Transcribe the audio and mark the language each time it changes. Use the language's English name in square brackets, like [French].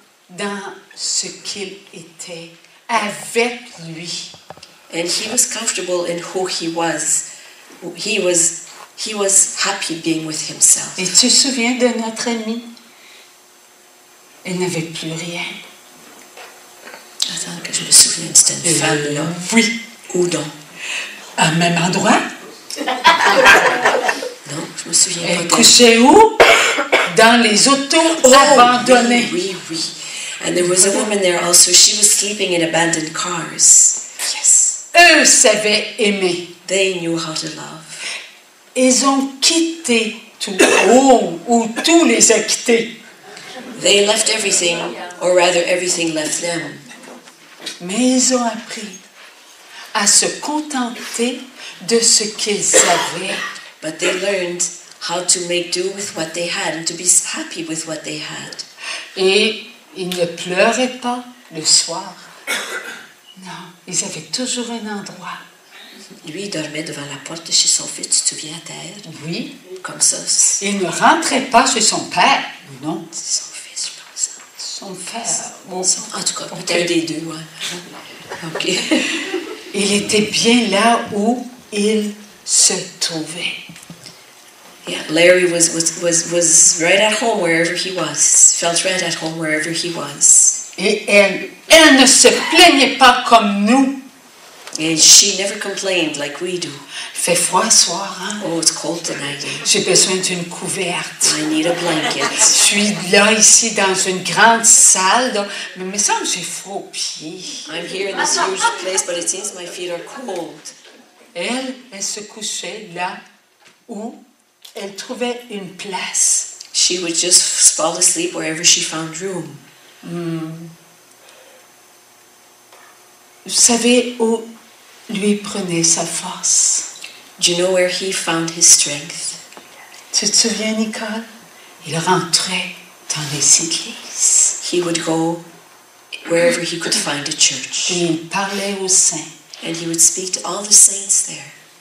[French] Dans ce qu'il était avec lui. [English] And he was comfortable in who he was. He was He was happy being with himself. [French] Et tu te souviens de notre ami? Elle n'avait plus rien. Attends que je me souvienne, c'est une femme là. Oui. Où donc? À même endroit. Non, je me souviens. Elle couchait où? Dans les autos abandonnées. Oui, oui, oui. [English] And there was a woman there also. She was sleeping in abandoned cars. Yes. [French] Eux savaient aimer. [English] They knew how to love. [French] Ils ont quitté tout. Oh, ou tout les a quittés. [English] They left everything, or rather everything left them. [French] Mais ils ont appris à se contenter de ce qu'ils avaient. [English] But they learned how to make do with what they had and to be happy with what they had. [French] Et ils ne pleuraient pas le soir. Non, ils avaient toujours un endroit. Lui, il dormait devant la porte chez son fils, tu te souviens, Terre? Oui. Comme ça. Il ne rentrait pas chez son père. Non, c'est son fils, je pense. Son père. Bon, en tout cas, okay. Peut-être des deux. Hein? OK. Il était bien là où il se trouvait. [English] Yeah, Larry was right at home wherever he was. Felt right at home wherever he was. [French] Et elle ne se plaignait pas comme nous. [English] And she never complained like we do. [French] Fait froid soir, hein? [English] Oh, it's cold tonight. [French] J'ai besoin d'une couverte. [English] I need a blanket. [French] Je suis là ici dans une grande salle, là. Mais me semble j'ai froid aux pieds. [English] I'm here in this huge place, but it seems my feet are cold. [French] Elle se couchait là où elle trouvait une place. [English] She would just fall asleep wherever she found room. Mm. [French] Vous savez où lui prenait sa force? [English] Do you know where he found his strength? [French] Tu te souviens, Nicole? Il rentrait dans les églises. [English] He would go wherever he could find a church. [French] Et il parlait aux saints. [English] And he would speak to all the saints there.